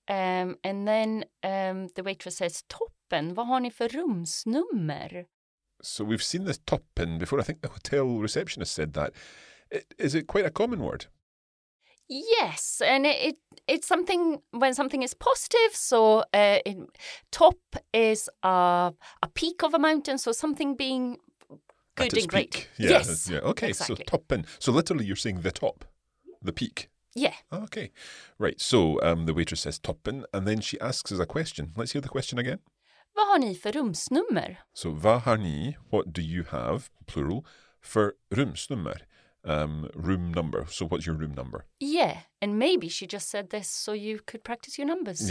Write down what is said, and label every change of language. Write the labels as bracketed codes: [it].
[en] And then the waitress says, [sv] toppen, vad har ni för rumsnummer? [en] So we've seen the toppen before. I think the hotel receptionist said that. Is it quite a common word? Yes, and it's something, when something is positive, so top is a peak of a mountain, so something being good and great. Yeah, yes, yeah. Okay, exactly. So toppen. So literally you're saying the top, the peak. Yeah. Okay, right. So the waitress says toppen, and then she asks us a question. Let's hear the question again. [sv] Vad har ni för rumsnummer? [en] So [sv] vad har ni, [en] what do you have, plural, [sv] för rumsnummer? [en] Room number. So what's your room number? Yeah, and maybe she just said this so you could practice your numbers.